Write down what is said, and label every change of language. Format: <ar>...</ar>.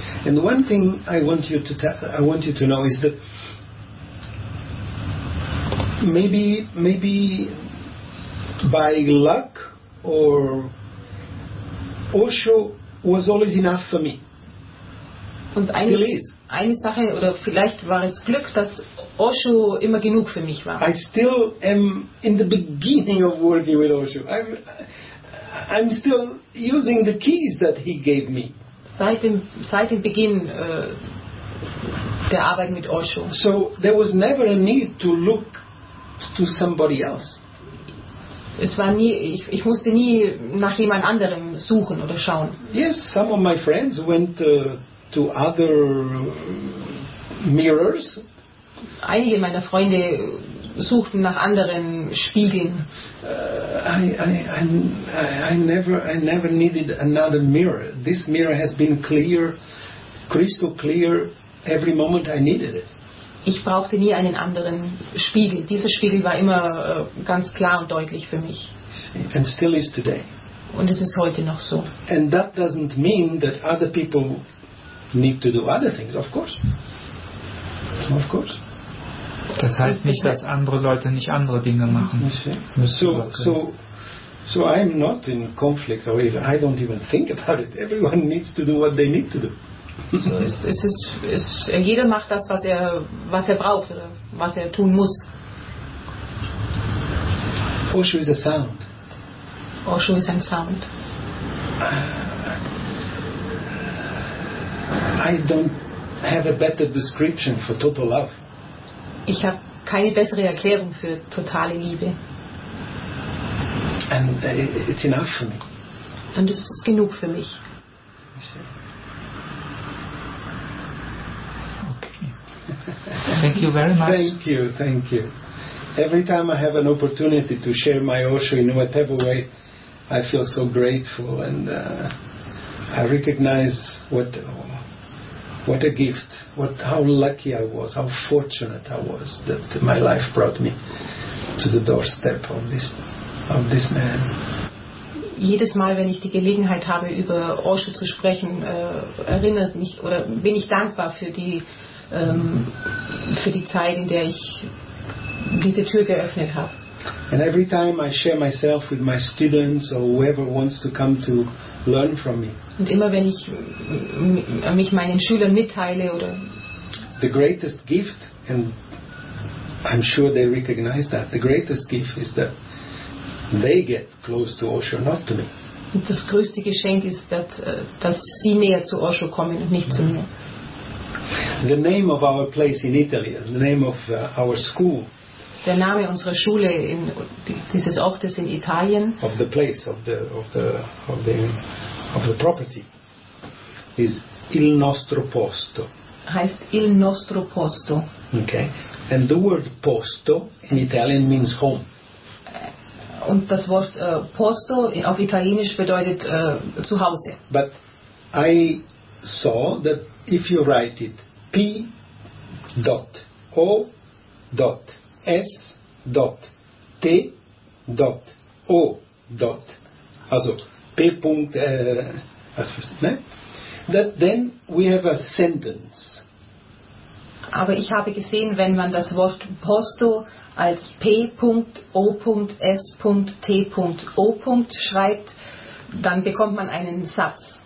<en>And the one thing I want you to know is that maybe by luck or Osho was always enough for me.</en> <de>Und eine Sache, oder vielleicht war es Glück, dass Osho immer genug für mich war.</de> <en>I still am in the beginning of working with Osho. I'm still using the keys that he gave me.</en> <de>Seit dem Beginn der Arbeit mit Osho.</de> <en>So there was never a need to look to somebody else.</en> <de>Es war nie, ich musste nie nach jemand anderem suchen oder schauen.</de> <en>Yes, some of my friends went to other mirrors.</en> <de>Einige meiner Freunde suchten nach anderen Spiegeln.</de> <en>I never needed another mirror. This mirror has been clear, crystal clear every moment I needed it.</en> <de>Ich brauchte nie einen anderen Spiegel. Dieser Spiegel war immer ganz klar und deutlich für mich.</de> <en>And still is today.</en> <de>Und es ist heute noch so.</de> <en>And that doesn't mean that other people need to do other things, of course. Of course.</en> <de>Das heißt nicht, dass andere Leute nicht andere Dinge machen.</de> <en>So I'm not in conflict, or even, I don't even think about it. Everyone needs to do what they need to do.</en> <de>So jeder macht das, was er braucht oder was er tun muss.</de> <en>Osho is a sound. Osho is a sound. I don't have a better description for total love.</en> <de>Ich habe keine bessere Erklärung für totale Liebe.</de> <en>And it's enough for me.</en> <de>Und es ist genug für mich.</de> <en>Okay. Thank you very much. Thank you. Every time I have an opportunity to share my Osho in whatever way, I feel so grateful and I recognize what a gift, how lucky I was, how fortunate I was that my life brought me to the doorstep of this man.</en> <de>Jedes Mal, wenn ich die Gelegenheit habe, über Osho zu sprechen, erinnert mich oder bin ich dankbar für die Zeit, in der ich diese Tür geöffnet habe.</de> <en>And every time I share myself with my students or whoever wants to come to learn from me.</en> <de>Und immer wenn ich mich meinen Schülern mitteile oder</de> <en>the greatest gift, and I'm sure they recognize that, the greatest gift is that they get close to Osho, not to me.</en> <de>Und das größte Geschenk ist, dass sie näher zu Osho kommen und nicht zu mir.</de> <en>The name of our place in Italy, the name of our school.</en> <de>Der Name unserer Schule in dieses Ortes in Italien.</de> <en>Of the place of the property is Il Nostro Posto.</en> <de>Heißt Il Nostro Posto.</de> <en>Okay. And the word posto in Italian means home.</en> <de>Und das Wort posto auf Italienisch bedeutet zu Hause.</de> <en>But I saw that if you write it P dot O dot S dot T dot O dot,</en> <de>also P punkt</de> <en>as first,</en> <de>ne?</de> <en>That then we have a sentence.</en> <de>Aber ich habe gesehen, wenn man das Wort posto als P punkt O punkt S punkt T punkt O punkt schreibt, dann bekommt man einen Satz.</de>